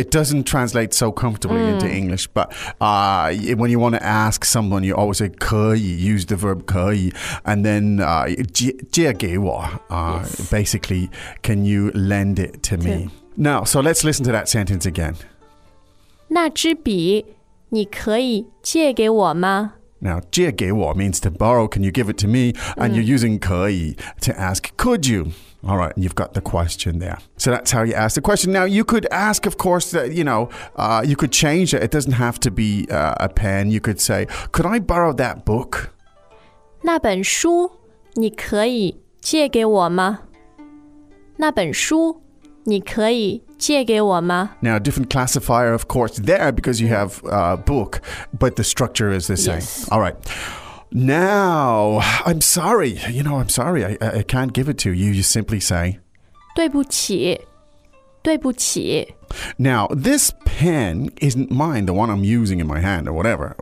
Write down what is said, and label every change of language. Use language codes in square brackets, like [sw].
[en] It doesn't translate so comfortably into English, but when you want to ask someone, you always say 可以, use the verb 可以, and then 借给我, basically, can you lend it to me? Now, so let's listen to that sentence again. [zh] 那支笔你可以借给我吗？ [en] Now, 借给我 means to borrow, can you give it to me? And you're using 可以 to ask, could you? All right, and you've got the question there. So that's how you ask the question. Now, you could ask, of course, that, you know, you could change it. It doesn't have to be a pen. You could say, could I borrow that book? [zh] 那本书你可以借给我吗？那本书你可以借给我吗? [en] Now, different classifier, of course, there because you have a book, but the structure is the same. Yes. All right. Now, I'm sorry. You know, I'm sorry. I can't give it to you. You simply say, [zh] 对不起。对不起。 [en] Now, this pen isn't mine, the one I'm using in my hand or whatever.